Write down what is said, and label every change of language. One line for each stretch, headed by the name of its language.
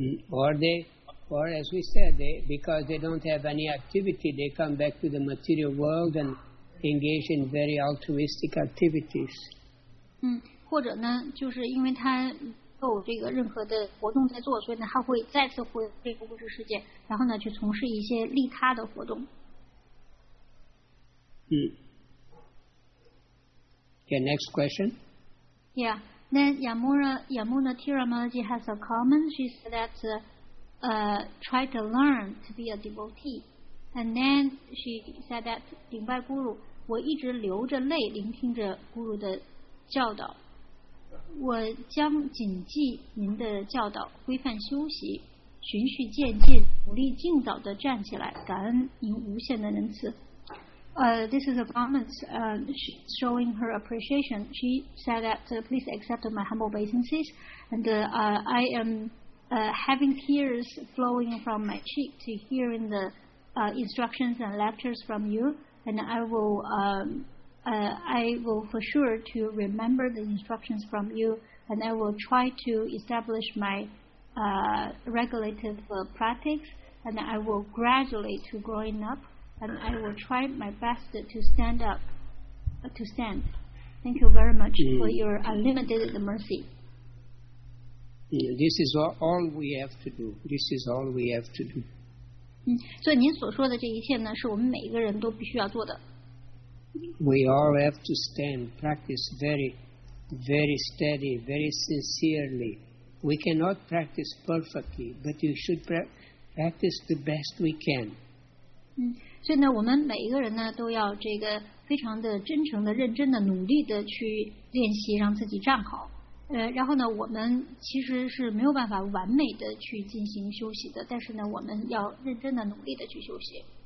English: Or as we said, because they don't have any activity, they come back to the material world and engage in very altruistic activities.
Chinese: 或者呢，就是因为他有这个任何的活动在做，所以呢，他会再次回这个物质世界，然后呢，去从事一些利他的活动。嗯。
English: Okay, next question. Yeah. Then Yamuna Tiramaji has a comment. She said that, try to learn to be a devotee, and then she said that,
Chinese: 顶拜咕噜，我一直流着泪聆听着咕噜的教导。我将谨记您的教导，规范修习，循序渐进，努力尽早地站起来，感恩您无限的仁慈。
English: This is a comment showing her appreciation. She said that please accept my humble obeisances, and I am having tears flowing from my cheek to hearing the instructions and lectures from you, and I will for sure to remember the instructions from you, and I will try to establish my regulative practice, and I will gradually to growing up, and I will try my best to stand up, to stand. Thank you very much for your unlimited mercy. This is all we have to do. This is all we have to do.
Chinese: 所以您所说的这一切呢，是我们每一个人都必须要做的。
English: We all have to stand, practice very, very steady, very sincerely. We cannot practice perfectly, but you should practice the best we can.
Chinese: 所以呢，我们每一个人呢，都要这个非常的真诚的、认真的、努力的去练习，让自己站好。然后呢，我们其实是没有办法完美的去进行休息的，但是呢，我们要认真的、努力的去休息。